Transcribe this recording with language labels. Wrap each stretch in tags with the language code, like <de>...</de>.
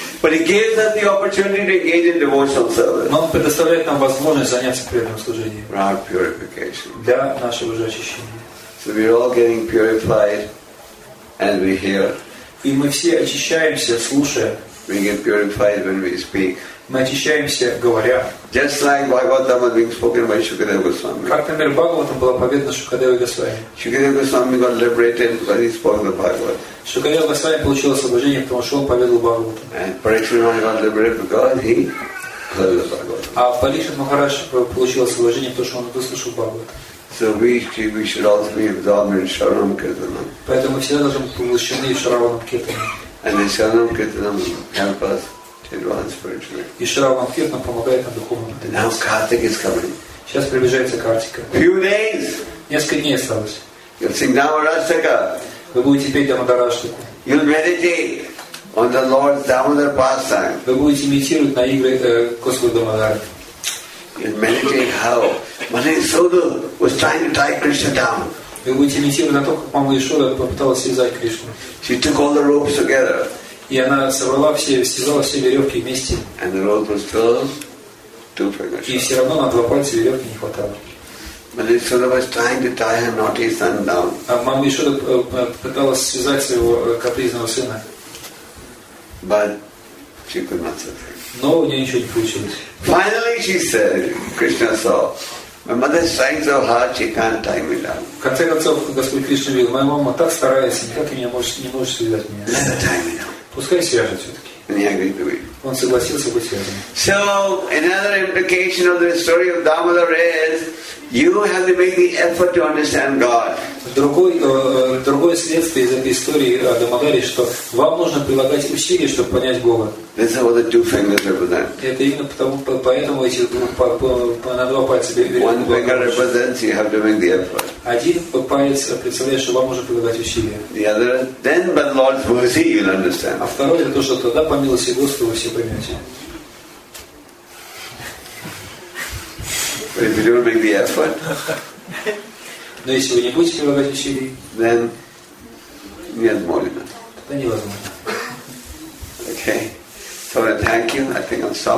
<en>But he gives us the opportunity to engage in devotional service.</en> <ru>Но он предоставляет нам возможность заняться преданным служением.</ru> <en>For our purification.</en> <ru>Для нашего же очищения.</ru> <en>So we are all getting purified as we hear.</en> <ru>И мы все очищаемся, слушая.</ru> <en>We get purified when we speak.</en> <ru>Мы очищаемся, говоря.</ru> <en>Just like Bhagavatam was being spoken by Shukadeva Goswami.</en> <ru>Как, например, Бхагаватам была поведена Шукадева Госвами.</ru> <en>Shukadeva Goswami got liberated when he spoke the Bhagavat.</en> <ru>Шукадева Госвами получил освобождение, потому что он поведал Бхагаватам.</ru> <en>And Parikshit Maharaj got liberated because he heard the Bhagavat.</en> <ru>А Парикшит Махарадж получил освобождение, потому что он выслушал Бхагавата.</ru> <en>So we should also be absorbed in Sharanam Kirtanam.</en> <ru>Поэтому все должны быть поглощены Шараванам Киртанам.</ru> <en>And the Sharanam Kirtanam help us. Advance spiritually.</en> <ru>И Шраван Кирт нам помогает на духовном</ru> <en>этапе. Now Kartik is coming.</en> <ru>Сейчас приближается Картика.</ru> <en>Few days.</en> <ru>Несколько дней осталось.</ru> <en>You'll sing Damodarashtaka.</en> <ru>Вы будете петь Дамодараштаку.</ru> <en>You'll meditate on the Lord's Damodar pastime.</en> <ru>Вы будете медитировать на игры Господа Дамодара.</ru> <en>You'll meditate how Манисуду was trying to tie Krishna down.</en> <ru>Вы будете медитировать на то, как Мама Ишода попыталась связать Кришну.</ru> <en>She took all the ropes together.</en> <ru>И она собрала все, связала все веревки вместе.</ru> <en>And the rope was still too fragile.</en> <ru>И все равно на два пальца веревки не хватало.</ru> <en>Манисуда was trying to tie her naughty son down.</en> <ru>А мама еще пыталась связать своего капризного сына.</ru> <en>But she could not succeed.</en> <ru>Но у нее ничего не получилось.</ru> <en>Finally, she said, Krishna saw. My mother is trying so hard, she can't tie me down.</en> <ru>В конце концов, Господь Кришна видел, моя мама так старается, никак и не может связать меня.</ru> <en>Let her tie me down.</en> <ru>Пускай свяжет все-таки. Он согласился быть связанным.</ru> <en>So another implication of the story of Damodar is you have to make the effort to understand God.</en> <ru>Другое следствие из этой истории о Дамодаре, что вам нужно прилагать усилия, чтобы понять Бога.</ru> <en>That's how the two fingers represent.</en> <ru>Это именно поэтому эти на два пальца берем.</ru> <en>One finger represents you have to make the effort.</en> <ru>Один палец представляет, что вам нужно прилагать усилия.</ru> <en>The other, then by the Lord's mercy you'll understand.</en> <ru>А второе это то, что тогда по милости Господа вы все поймете.</ru> <en>But if you don't make the effort.</en> <ru>Но если вы не будете прилагать усилий,</ru> <en>then</en> <ru>нет молитвы. Тогда невозможно.</ru> <en>Okay. So thank you. I think I'll stop.</en>